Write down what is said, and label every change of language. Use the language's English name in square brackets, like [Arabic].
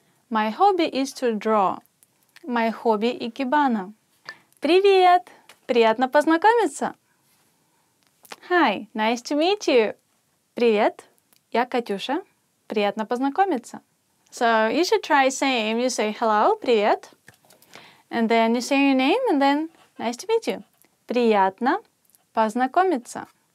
[English] My hobby is to draw. My hobby — [Russian] икебана. Привет! Приятно познакомиться. [English] Hi, nice to meet you. [Russian] Привет, я Катюша. Приятно познакомиться. [English] So you should try saying, you say hello, привет. And then you say your name and then nice to meet you. [Russian] Приятно познакомиться.